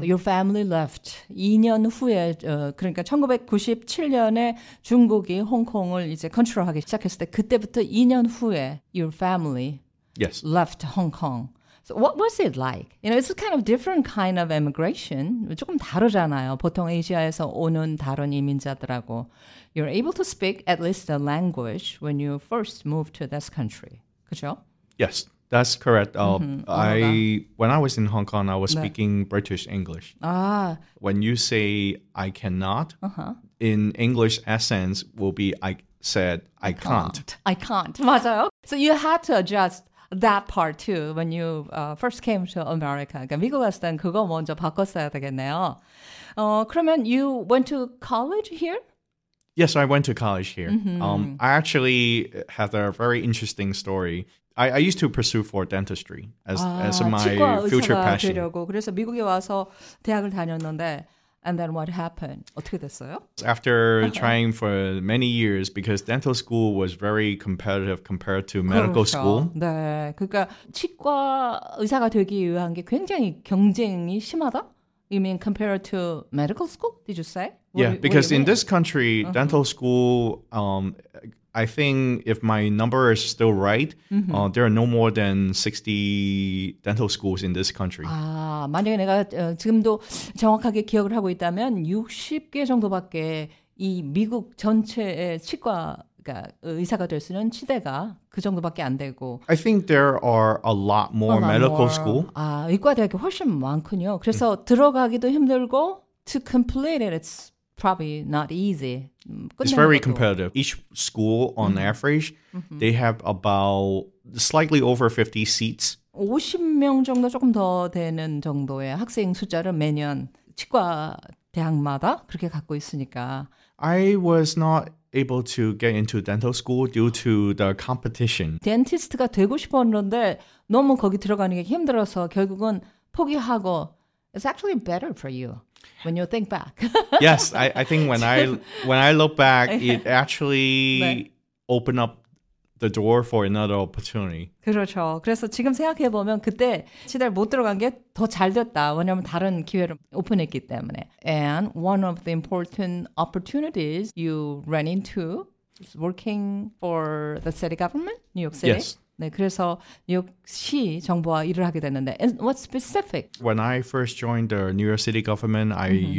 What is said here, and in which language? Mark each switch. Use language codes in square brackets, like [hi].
[en] So your family left [ko] 2년 후에, 그러니까 1997년에 중국이 홍콩을 이제 컨트롤하기 시작했을 때 그때부터 2년 후에 [en] your family yes. left Hong Kong. So what was it like? You know, it's a kind of different kind of immigration. [ko] 조금 다르잖아요. 보통 아시아에서 오는 다른 이민자들하고. [en] You're able to speak at least a language when you first moved to this country. [ko] 그죠? [en] Yes, that's correct. When I was in Hong Kong, I was speaking 네. British English. Ah. When you say I cannot, uh-huh. in English essence will be I said I can't. I can't. [ko] 맞아요. [en] So you had to adjust. That part too, when you first came to America. [ko] 그러니까 미국 갔을 땐 그거 먼저 바꿨어야 되겠네요. 그러면 [en] you went to college here? Yes, I went to college here. Mm-hmm. I actually have a very interesting story. I used to pursue for dentistry as my future passion. [ko] 치과 의사가 되려고 그래서 미국에 와서 대학을 다녔는데 [en] And then what happened? [ko] 어떻게 됐어요? [en] After trying for many years, because dental school was very competitive compared to medical [ko] 그렇죠. [en] school. [ko] 네, 그러니까 치과 의사가 되기 위한 게 굉장히 경쟁이 심하다? [en] You mean compared to medical school, did you say? What yeah, you, because in mean? This country, uh-huh. dental school, I think if my number is still right, mm-hmm. There are no more than 60 dental schools in this country. [ko] 아, 만약에 내가 지금도 정확하게 기억을 하고 있다면 60개 정도밖에 이 미국 전체의 치과 그러니까 의사가 될 수 있는 치대가 그 정도밖에 안 되고 [en] I think there are a lot more medical school. [ko] 아, 의과대학이 훨씬 많군요. 그래서 들어가기도 힘들고 [en] to complete it, it's probably not easy. It's very competitive. Each school on mm-hmm. average, mm-hmm. they have about slightly over 50 seats. [ko] 50명 정도 조금 더 되는 정도의 학생 숫자를 매년 치과 대학마다 그렇게 갖고 있으니까 [en] I was not able to get into dental school due to the competition. [ko] 덴티스트가 되고 싶었는데 너무 거기 들어가는 게 힘들어서 결국은 포기하고 [en] It's actually better for you when you think back. yes, I think when I look back, it actually 네. opened up the door for another opportunity. [ko] 그렇죠. 그래서 지금 생각해 보면 그때 치대를 못 들어간 게 더 잘 됐다. 왜냐하면 다른 기회를 오픈했기 때문에. [en] And one of the important opportunities you ran into is working for the city government, New York City. Yes. [ko] 네, 그래서 뉴욕시 정부와 일을 하게 됐는데 [en] What specific? When I first joined the New York City government, I mm-hmm.